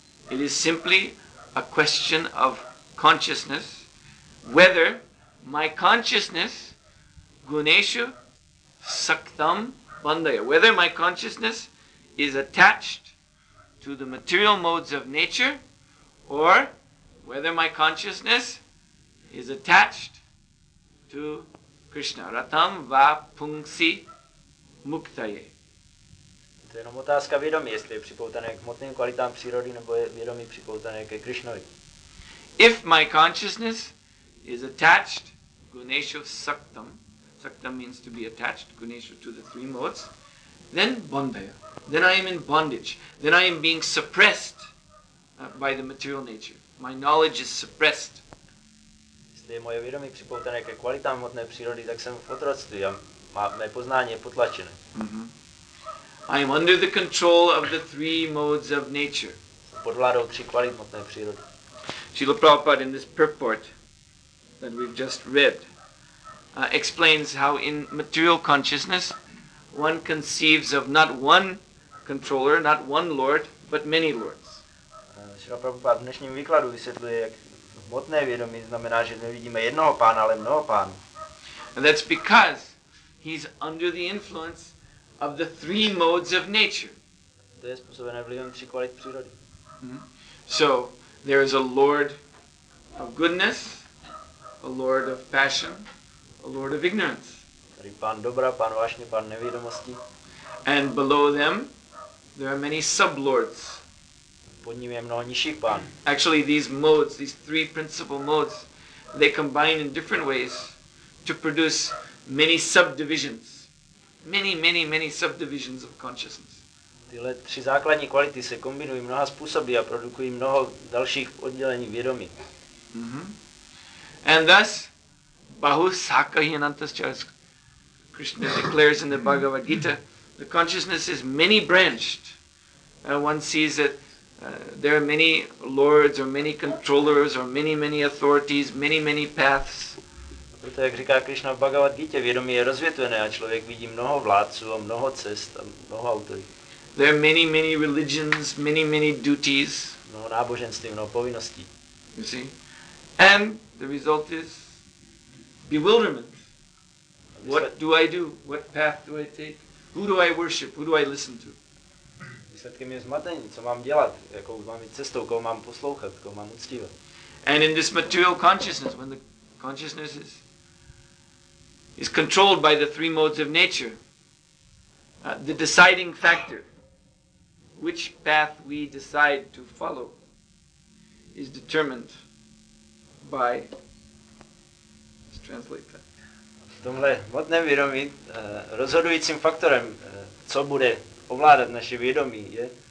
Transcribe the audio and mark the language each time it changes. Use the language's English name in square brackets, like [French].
[English] It is simply a question of consciousness, whether my consciousness [Sanskrit] guneshu saktam bandhaya, [English] whether my consciousness is attached to the material modes of nature, or whether my consciousness is attached to Krishna. [Sanskrit] Ratam va pungsi muktaye. [Czech] To je jenom otázka vědomí, jestli je připoutané k hmotným kvalitám přírody, nebo je vědomí připoutané ke Krishnovi. [English] If my consciousness is attached [Sanskrit] guneshu saktam, [English] saktam means to be attached guneshu to the three modes, then bandhaya, then I am in bondage, then I am being suppressed by the material nature, my knowledge is suppressed. [Czech] Jestli je moje vědomí připoutané ke kvalitám hmotné přírody, tak jsem v otroctví a mé poznání je potlačené. [English] I am under the control of the three modes of nature. [Czech] Pod vládou tří kvalit hmotné přírody. [English] Srila Prabhupada in this purport that we've just read explains how in material consciousness one conceives of not one controller, not one lord, but many lords. [Czech] Srila Prabhupada v dnešním výkladu vysvětluje, jak hmotné vědomí znamená, že nevidíme jednoho pána, ale mnoho pánů. [English] And that's because he's under the influence of the three modes of nature. [Czech] To je způsobené vlivem tří kvalit přírody. [English] So there is a lord of goodness, a lord of passion, a lord of ignorance. [Czech] Tady pán dobra, pán vášně, pán nevědomosti. [English] And below them there are many sublords. [Czech] Pod ním je mnoho nižších pán. [English] Actually these modes, these three principal modes, they combine in different ways to produce many subdivisions. Many subdivisions of consciousness. [Czech] Tyhle tři základní kvality se kombinují mnoha způsoby a produkují mnoho dalších oddělení vědomí. [English] And thus, [Sanskrit] Bahu Sakahi Anantascha, [English] as Krishna declares in the Bhagavad Gita, the consciousness is many branched. One sees that there are many lords or many controllers or many authorities, many paths. [Czech] Proto, jak říká Krishna v Bhagavad Gita, vědomí je rozvětvené a člověk vidí mnoho vládců a mnoho cest a mnoho autorit. [English] There are many religions, many duties. [Czech] Mnoho náboženství, mnoho povinností. [English] You see? And the result is bewilderment. What do I do? What path do I take? Who do I worship? Who do I listen to? [Czech] Výsledkem je zmatení. Co mám dělat? Jakou mám jít cestou? Koho mám poslouchat? Koho mám uctívat? [English] And in this material consciousness, when the consciousness is controlled by the three modes of nature, the deciding factor, which path we decide to follow, is determined by, let's translate that. [Czech] V tomhle hmotném vědomí rozhodujícím faktorem, co bude ovládat naše vědomí, je?